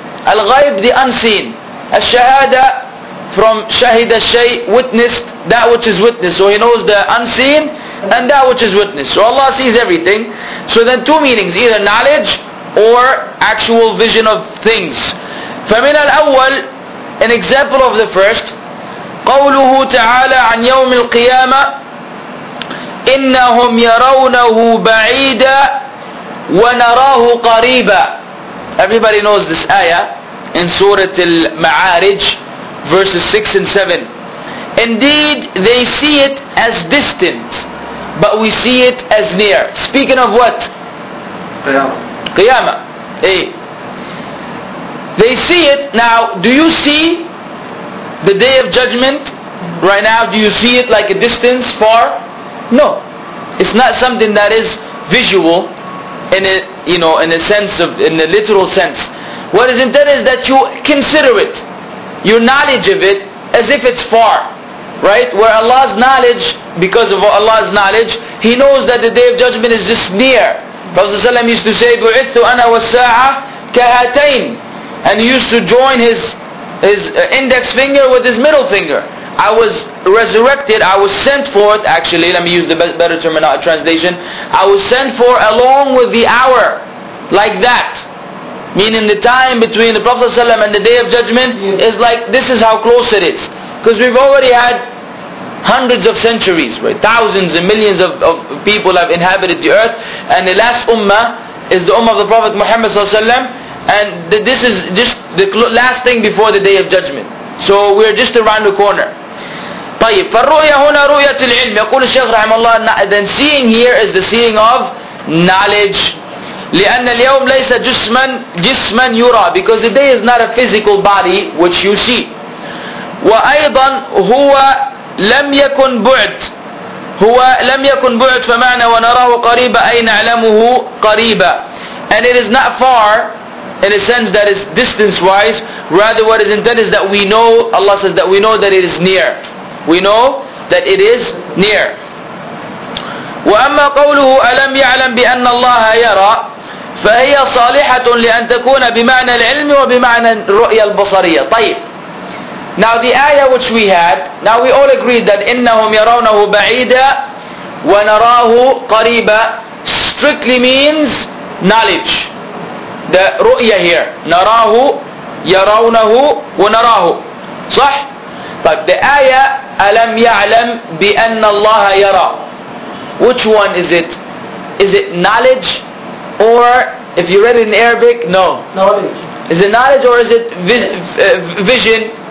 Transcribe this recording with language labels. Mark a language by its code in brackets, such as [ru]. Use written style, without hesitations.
[en] الغيب, the unseen. الشهادة, from [ar] شهد الشيء, [en] witnessed, that which is witnessed. So He knows the unseen and that which is witnessed. So Allah sees everything. So then two meanings, either knowledge or actual vision of things. [ar] فمن الأول [en] an example of the first. [ar] قوله تعالى عن يوم القيامة إنهم يرونه بعيدا ونراه قريبا. [en] Everybody knows this ayah in Surah Al-Ma'arij, verses 6 and 7. Indeed, they see it as distant, but we see it as near. Speaking of what? Qiyamah. Qiyamah. Eh. They see it. Now, do you see the Day of Judgment right now? Do you see it like a distance, far? No. It's not something that is visual in a, you know, in a sense of, in a literal sense. What is intended is that you consider it, your knowledge of it, as if it's far. Right? Where Allah's knowledge, because of Allah's knowledge, He knows that the Day of Judgment is just near. Prophet ﷺ used to say, [ar] بُعِثُ أَنَا وَالسَّاعَةَ كَهَاتَيْنِ. [en] And he used to join his index finger with his middle finger. I was resurrected, I was sent forth, actually, let me use the better translation, I was sent for along with the hour, like that. Meaning the time between the Prophet ﷺ and the Day of Judgment is like, this is how close it is. Because we've already had hundreds of centuries, right? Thousands and millions of people have inhabited the earth, and the last ummah is the ummah of the Prophet Muhammad sallallahu alaihi wasallam, and this is just the last thing before the Day of Judgment. So we're just around the corner. [ar] طيب فالرؤية هنا رؤية العلم. يقول الشيخ رحمه الله [en] then seeing here is the seeing of knowledge. [ar] لأن اليوم ليس جسما يرى, [en] because the day is not a physical body which you see. [ar] وأيضا هو لم يكن بعد, هو لم يكن بعد فمعنى ونراه قريبا أي نعلمه قريبا. [en] And it is not far in a sense that is distance wise, rather what is intended is that we know, Allah says that we know that it is near, we know that it is near. [ar] وأما قوله ألم يعلم بأن الله يرى فهي صالحة لأن تكون بمعنى العلم وبمعنى الرؤية البصرية. [en] طيب, now the ayah which we had, now we all agreed that [ar] إِنَّهُمْ يَرَوْنَهُ بَعِيدًا وَنَرَاهُ قَرِيبًا [en] strictly means knowledge. The ru'ya here, [ar] نَرَاهُ يَرَوْنَهُ وَنَرَاهُ, صح؟ طيب, the ayah أَلَمْ يَعْلَمْ بِأَنَّ اللَّهَ يَرَى, [en] which one is it? Is it knowledge? Or if you read it in Arabic, no. Knowledge. Is it knowledge or is it vision?